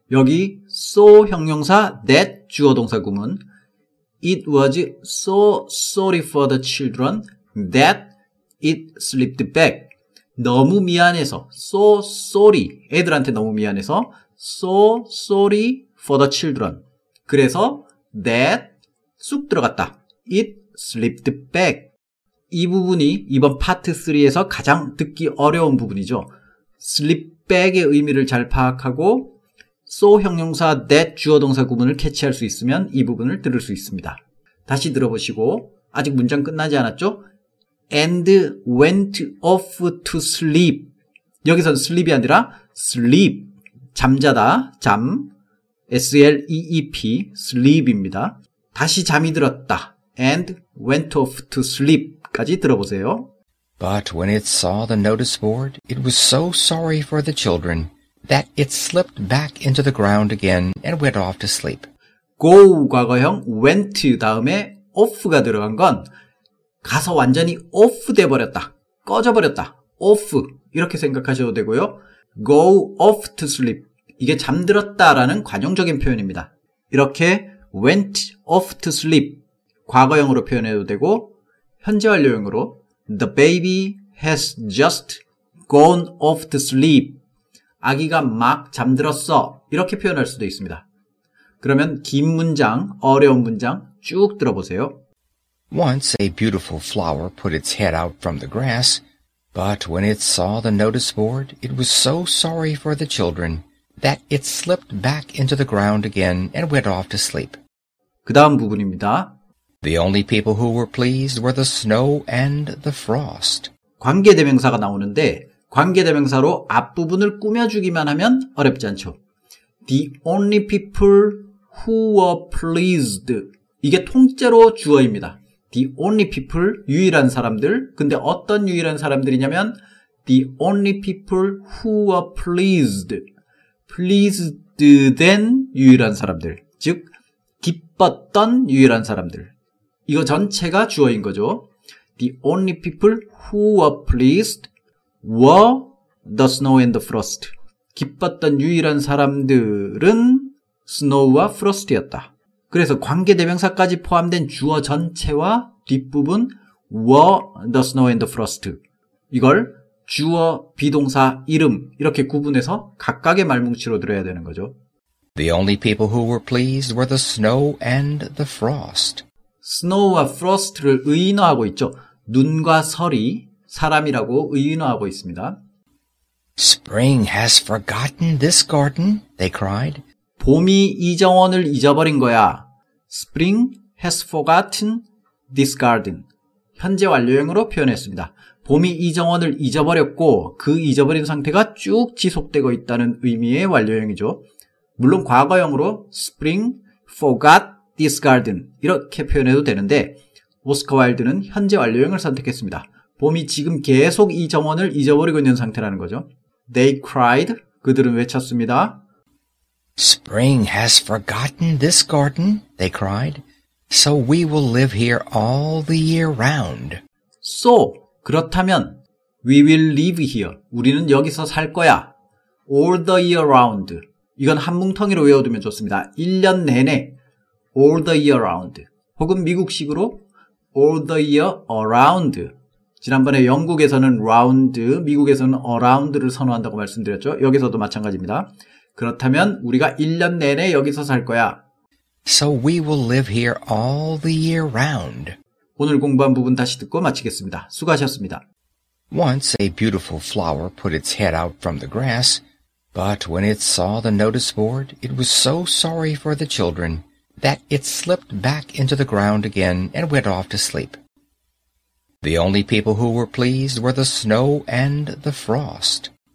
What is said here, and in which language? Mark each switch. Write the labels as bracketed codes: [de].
[ko] 여기 so 형용사 that 주어 동사 구문 [en] it was so sorry for the children that it slipped back. [ko] 너무 미안해서 [en] so sorry [ko] 애들한테 너무 미안해서 [en] so sorry for the children. [ko] 그래서 that 쑥 들어갔다. [en] It slipped back. [ko] 이 부분이 이번 파트 3에서 가장 듣기 어려운 부분이죠. slip back의 의미를 잘 파악하고 so 형용사 that 주어 동사 구문을 캐치할 수 있으면 이 부분을 들을 수 있습니다. 다시 들어보시고 아직 문장 끝나지 않았죠? [en] and went off to sleep. [ko] 여기선 sleep이 아니라 sleep. 잠자다, 잠. sleep, sleep입니다. 다시 잠이 들었다. [en] and went off to sleep. [ko] 까지 들어보세요. [en] But when it saw the notice board, it was so sorry for the children that it slipped back into the ground again and went off to sleep. [ko] Go 과거형 went 다음에 off가 들어간 건 가서 완전히 off 돼버렸다. 꺼져버렸다. off 이렇게 생각하셔도 되고요. [en] Go off to sleep. [ko] 이게 잠들었다라는 관용적인 표현입니다. 이렇게 [en] went off to sleep [ko] 과거형으로 표현해도 되고 현재 완료형으로 [en] The baby has just gone off to sleep. [ko] 아기가 막 잠들었어. 이렇게 표현할 수도 있습니다. 그러면 긴 문장, 어려운 문장 쭉 들어보세요. [en] Once a beautiful flower put its head out from the grass, but when it saw the notice board, it was so sorry for the children that it slipped back into the ground again and went off to sleep. [ko] 그 다음 부분입니다. [en] The only people who were pleased were the snow and the frost. [ko] 관계대명사가 나오는데 관계대명사로 앞부분을 꾸며주기만 하면 어렵지 않죠. [en] The only people who were pleased. [ko] 이게 통째로 주어입니다. [en] The only people, [ko] 유일한 사람들. 근데 어떤 유일한 사람들이냐면 [en] The only people who were pleased. Pleased than [ko] 유일한 사람들. 즉, 기뻤던 유일한 사람들. 이거 전체가 주어인 거죠. [en] The only people who were pleased were the snow and the frost. [ko] 기뻤던 유일한 사람들은 snow와 frost였다. 그래서 관계대명사까지 포함된 주어 전체와 뒷부분 were the snow and the frost. 이걸 주어, 비동사, 이름 이렇게 구분해서 각각의 말뭉치로 들어야 되는 거죠. [en] The only people who were pleased were the snow and the frost. [ko] snow와 frost를 의인화하고 있죠. 눈과 설이 사람이라고 의인화하고 있습니다. [en] Spring has forgotten this garden, they cried. [ko] 봄이 이 정원을 잊어버린 거야. [en] Spring has forgotten this garden. [ko] 현재 완료형으로 표현했습니다. 봄이 이 정원을 잊어버렸고 그 잊어버린 상태가 쭉 지속되고 있다는 의미의 완료형이죠. 물론 과거형으로 [en] spring forgot this garden [ko] 이렇게 표현해도 되는데 오스카 와일드는 현재 완료형을 선택했습니다. 봄이 지금 계속 이 정원을 잊어버리고 있는 상태라는 거죠. [en] They cried. [ko] 그들은 외쳤습니다. [en] Spring has forgotten this garden, they cried. So we will live here all the year round. So, [ko] 그렇다면 [en] we will live here. [ko] 우리는 여기서 살 거야. [en] All the year round. [ko] 이건 한 뭉텅이로 외워두면 좋습니다. 1년 내내 [en] All the year round. [ko] 혹은 미국식으로 [en] All the year around. [ko] 지난번에 영국에서는 round, 미국에서는 around를 선호한다고 말씀드렸죠. 여기서도 마찬가지입니다. 그렇다면 우리가 1년 내내 여기서 살 거야. [en] So we will live here all the year round. [ko] 오늘 공부한 부분 다시 듣고 마치겠습니다. 수고하셨습니다. [en] Once a beautiful flower put its head out from the grass, but when it saw the notice board, it was so sorry for the children. That it slipped back into the ground again and went off to sleep. The only people who were pleased were the snow and the frost.